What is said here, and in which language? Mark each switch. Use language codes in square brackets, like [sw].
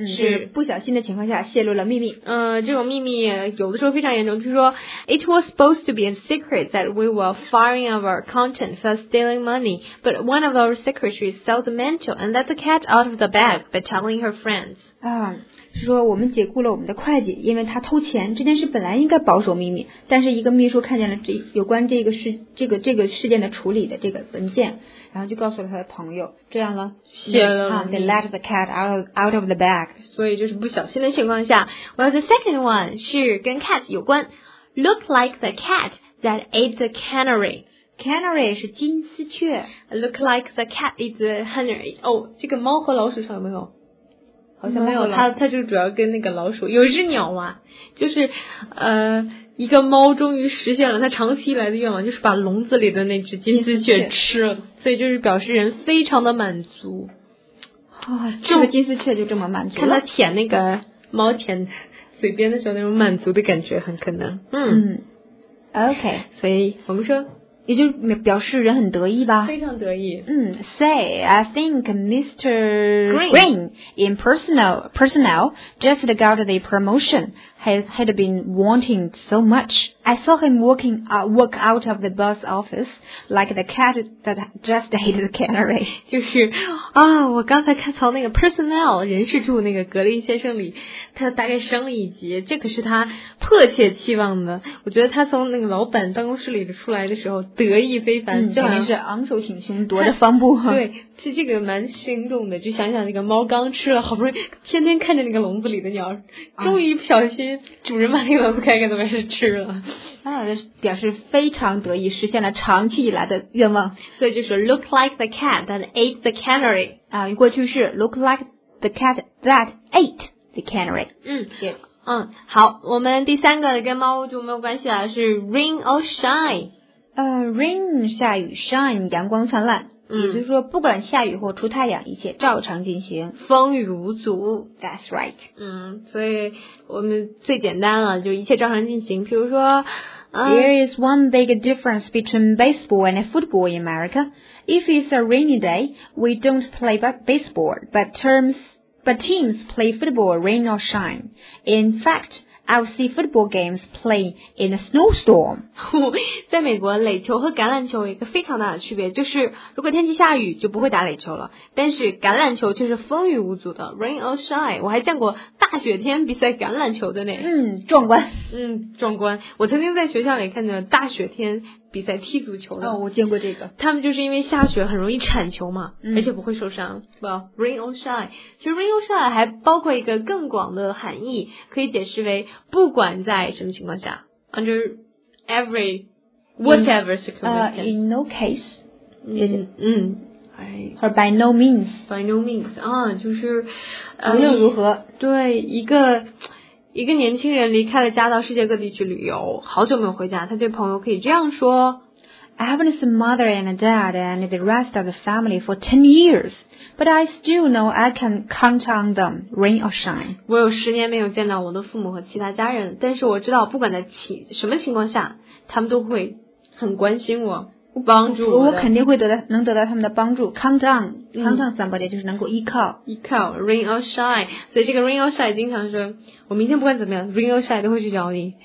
[zh] 是不小心的情况下泄露了秘密。 [en] 这种秘密有的时候非常严重，就是说 ， it was supposed to be a secret that we were firing our accountant for stealing money, but one of our secretaries saw the mantle and let the cat out of the bag by telling her friends. [zh] 是说我们解雇了我们的会计，因为他偷钱。这件事本来应该保守秘密，但是一个秘书看见了这个事件的处理的这个文件，然后就告诉了他的朋友，这样了，泄露了。 [en] They let the cat out of the bag. [zh] 所以就是不小心的情况下。 [en] Well, the second one [zh] 是跟 [en] cat [zh] 有关 [en] ，look like the cat that ate the canary. [zh] Canary 是金丝雀。 [en] Look like the cat is a canary. [zh] 哦，这个猫和老鼠上有没有？好像没有，它就主要跟那个老鼠。有一只鸟啊，就是一个猫终于实现了它长期以来的愿望，就是把笼子里的那只金丝雀吃了，所以就是表示人非常的满足。哇、哦，这个金丝雀就这么满足了，看它舔那个猫舔嘴边的时候那种满足的感觉，很可能。嗯。OK，所以我们说。也就是表示人很得意吧，非常得意。 [en] 嗯 ，Say I think Mr. Green in personnel just got the promotion had been wanting so much. I saw him walk out of the boss office like the cat that just ate the canary. [zh] 就是啊，我刚才看从那个 personnel 人事处那个格林先生里，他大概升了一级，这可是他迫切期望的。我觉得他从那个老板办公室里出来的时候。得意非凡，就好像是昂首挺胸，踱着方步。对，其实这个蛮生动的。就想想那个猫刚吃了，好不容易天天看着那个笼子里的鸟，终于不小心主人把那个笼子开开，怎么是吃了？啊，表示非常得意，实现了长期以来的愿望。所以就是 [en] look like the cat that ate the canary [zh] 啊，过去式 [en] look like the cat that ate the canary。 [zh] 嗯，对。嗯，好，我们第三个跟猫就没有关系了，是 [en] ring or shine。 [zh] Rain 下雨 ，shine 阳光灿烂，嗯、也就是说不管下雨或出太阳，一切照常进行，风雨无阻。 That's right。嗯，所以我们最简单了，就一切照常进行。比如说、 [en] ，There is one big difference between baseball and football in America. If it's a rainy day, we don't play baseball, but teams play football rain or shine. In fact. I'll see football games play in a snowstorm. [zh] 在美国垒球和橄榄球有一个非常大的区别，就是如果天气下雨就不会打垒球了，但是橄榄球却是风雨无阻的 [en] rain or shine. [zh] 我还见过大雪天比赛橄榄球的呢。嗯，壮观。嗯，壮观。我曾经在学校里看见大雪天比赛踢足球的。哦，我见过这个。他们就是因为下雪很容易铲球嘛、嗯、而且不会受伤。 [en] Well, rain or shine. [zh] 其实 [en] rain or shine [zh] 还包括一个更广的含义，可以解释为不管在什么情况下 ， [en] under every whatever circumstance, in no case, 嗯，or by no means, by no means, [zh] 啊，就是无论如何，对一个年轻人离开了家到世界各地去旅游，好久没有回家，他对朋友可以这样说 [en] ：I haven't seen mother and dad and the rest of the family for 10 years. But I still know I can count on them, rain or shine. [zh] 我有十年没有见到我的父母和其他家人，但是我知道不管在什么情况下，他们都会很关心我，帮助我。我肯定会能得到他们的帮助。 [en] Count on,、嗯、 count on somebody [zh] 就是能够依靠。依靠 [en] rain or shine. [zh] 所以这个 rain or shine 经常说，我明天不管怎么样 ，rain or shine 都会去找你。